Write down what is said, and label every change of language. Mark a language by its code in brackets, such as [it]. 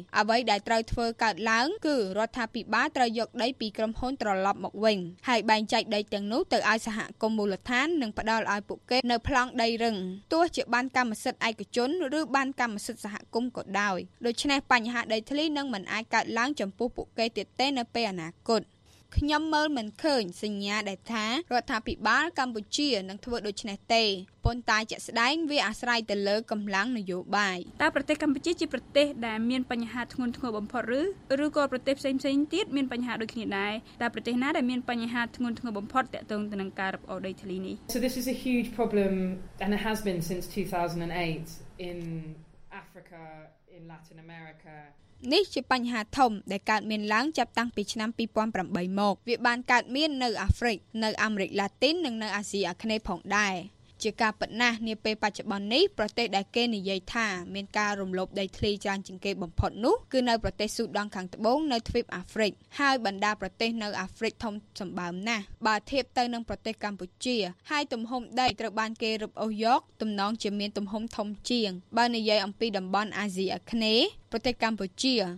[km] អ្វីដែលត្រូវធ្វើកើតឡើងគឺរដ្ឋាភិបាលត្រូវយកដីពីក្រុមហ៊ុនត្រឡប់មកវិញហើយបែងចែកដីទាំងនោះទៅឲ្យសហគមន៍មូលដ្ឋាននិងផ្ដល់ឲ្យពួកគេនៅប្លង់ដីរឹងទោះជាបានកម្មសិទ្ធិឯកជនឬបានកម្មសិទ្ធិសហគមក៏ដោយដូច្នេះបញ្ហាដីធ្លីនឹងមិនអាចកើតឡើងចំពោះពួកគេទៀតទេនៅពេលអនាគតខ្ញុំមើលមិនឃើញសញ្ញាដែលថារដ្ឋាភិបាលកម្ពុជានឹងធ្វើដូច្នេះទេប៉ុន្តែជាក់ស្ដែងវាអាស្រ័យទៅលើកម្លាំងនយោបាយ តើប្រទេសកម្ពុជាជាប្រទេសដែលមានបញ្ហាធ្ងន់ធ្ងរបំផុតឬក៏ប្រទេសផ្សេងៗទៀតមានបញ្ហាដូចគ្នាដែរតើប្រទេសណាដែលមានបញ្ហាធ្ងន់ធ្ងរបំផុតទាក់ទងទៅនឹងការរំអស់ដីធ្លីនេះ [en] So this is a huge problem and it has been since 2008 inAfrica in Latin America [km] នេះជាបញ្ហាធំដែលកើតមានឡើងចាប់តាំងពីឆ្នាំ2008មកវាបានកើតមាននៅអាហ្វ្រិកនៅអាមេរិកឡាទីននិងនៅអាស៊ីអាគ្នេយ៍ផងដែរ ជាការពិតណាស់នាពេលបច្ចុប្បន្ននេះប្រទេសដែលគេនិយាយថាមានការរំលោភដីធ្លីច្រើនជាងគេបំផុតនោះគឺនៅប្រទេសស៊ូដង់ខាងត្បូងនៅទ្វីបអាហ្វ្រិកហើយបណ្ដាប្រទេសនៅអាហ្វ្រិកធំសម្បើមណាស់បើធៀបទៅនឹងប្រទេសកម្ពុជាហើយទំហំដីត្រូវបានគេរឹបអូសយកទំនងជាមានទំហំធំជាងបើនិយាយអំពីតំបន់អាស៊ីអាគ្នេយ៍ប្រទេសកម្ពុជា